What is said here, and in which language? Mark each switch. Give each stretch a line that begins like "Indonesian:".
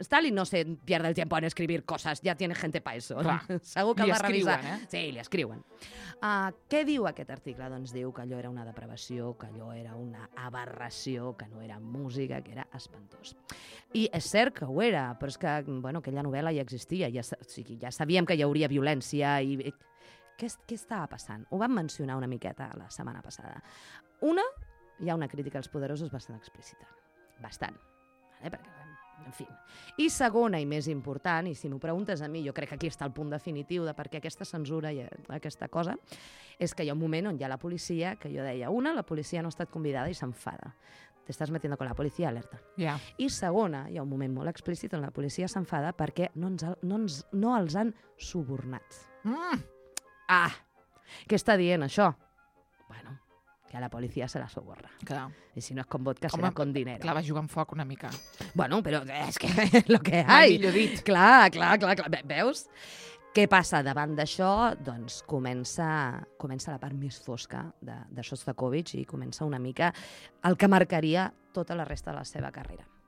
Spanish: Stalin no se pierde el tiempo en escribir cosas, ya tiene gente para eso.
Catalan: Clar. Segur que li el va revisar. Escriuen, Sí, li escriuen. Què diu aquest article? Doncs diu que allò era una depravació, que allò era una aberració, que no era música, que era espantós. I és cert que ho era, però és que aquella novel·la ja existia, ja sabíem que hi hauria violència. Què estava passant? Ho vam mencionar una miqueta la setmana passada. Hi ha una crítica als poderosos bastant explícita. Bastant. Perquè En fi. I segona i més important, i si m'ho preguntes a mi, jo crec que aquí està el punt definitiu de per què aquesta censura i aquesta cosa, és que hi ha un moment on hi ha la policia, que jo deia, una, la policia no ha estat convidada i s'enfada. T'estàs
Spanish: metiendo con
Catalan: la policia, alerta. Yeah. I segona, hi ha un moment molt explícit on la policia s'enfada perquè no els han subornat. Mm. Ah! Què està dient, això?
Spanish: Bueno, que a la policia se la soborra.
Catalan: Clar. I si no és
Spanish: con vodka,
Catalan: com serà
Spanish: con dinero.
Catalan: Clar, va jugar amb foc una mica. Bueno, però és que
Spanish: lo que hay.
Catalan: Millor dit. Clar, clar, clar, clar. Veus? Què passa davant d'això? Doncs comença la part més fosca de Shostakovich i comença una mica el que marcaria tota la resta de la seva carrera.